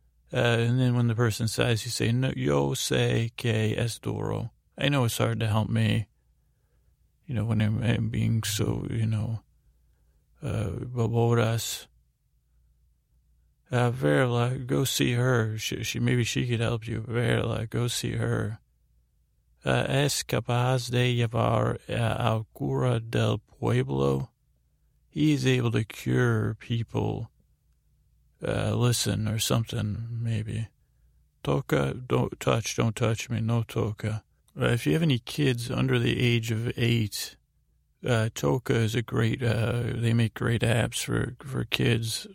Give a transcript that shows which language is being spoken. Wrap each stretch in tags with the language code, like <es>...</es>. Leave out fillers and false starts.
<en>And then when the person says, you say,</en> <es>no, yo sé que es duro.</es> <en>I know it's hard to help me, you know, when I'm being so, you know, baboras.</en> <es>Verla,</es> <en>go see her. Maybe she could help you.</en> <es>Verla,</es> <en>go see her.</en> <es>Es capaz de llevar al cura del pueblo.</es> <en>He is able to cure people. Listen, or something, maybe. Toca, don't touch me,</en> <es>no toca.</es> <en>If you have any kids under the age of 8, Toca is a great, they make great apps for kids.</en>